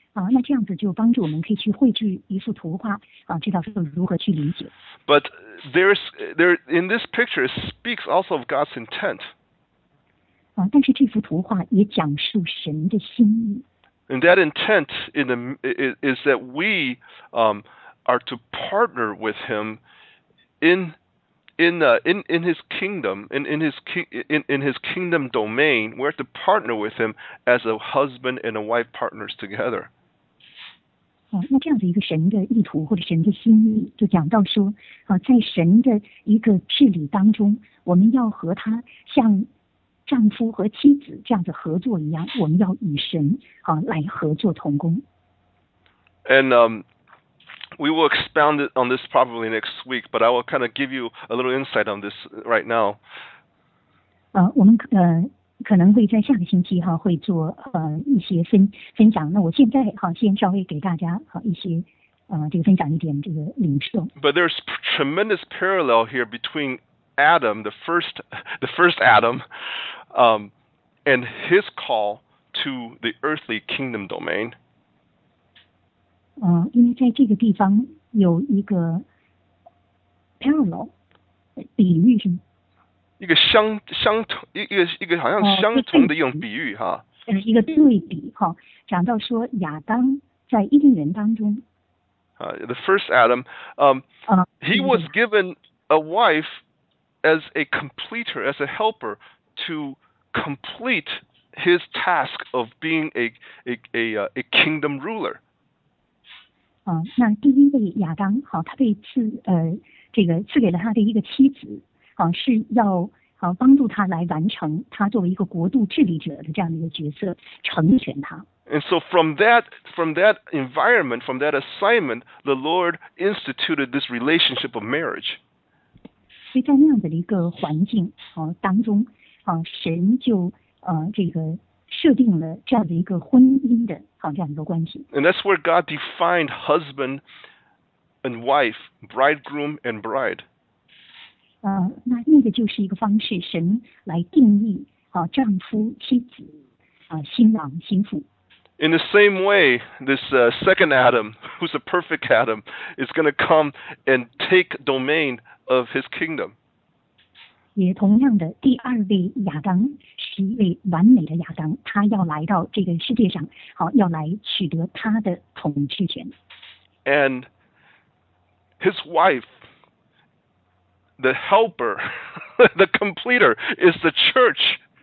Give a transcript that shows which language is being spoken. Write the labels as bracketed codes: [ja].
[zh] 那这样子就帮助我们可以去绘制一幅图画知道说如何去理解。 [en] But there in this picture it speaks also of God's intent. [zh] 但是这幅图画也讲述神的心意。 [en] And that intent is that we are to partner with Him. In his kingdom domain, we're to partner with him as a husband and a wife partners together. [zh] 那这样子一个神的意图或者神的心意，就讲到说，在神的一个治理当中，我们要和他像丈夫和妻子这样子合作一样，我们要与神来合作同工。 [en] We will expound on this probably next week, but I will kind of give you a little insight on this right now. [zh] 我们可能会在下个星期哈、啊、会做一些分享。那我现在哈、啊、先稍微给大家哈、啊、一些这个分享一点这个领受。 [en] But there's tremendous parallel here between Adam, the first Adam, and his call to the earthly kingdom domain. [zh] 因为在这个地方有一个 parallel 比喻是吗？一个相同一个好像相同的一种比喻哈，一个对比哈，讲到说亚当在伊甸园当中， [en] the first Adam, he was given a wife as a completer, as a helper to complete his task of being a kingdom ruler. [zh] 那第一位亚当哈，他被赐给了他的一个妻子。是要帮助他来完成他作为一个国度治理者的这样的一个角色，成全他。 [en] And so from that environment, from that assignment, the Lord instituted this relationship of marriage. [zh] 所以在那样的一个环境当中神就这个设定了这样的一个婚姻的这样一个关系。 [en] And that's where God defined husband and wife, bridegroom and bride. [zh] 那个就是一个方式，神来定义丈夫、妻子、新郎、新妇。 [en] In the same way, this second Adam, who's a perfect Adam, is going to come and take domain of his kingdom. [zh] 也同样的，第二位亚当是一位完美的亚当，他要来到这个世界上，要来取得他的统治权。 [en] And his wife. The helper, the completer is the church.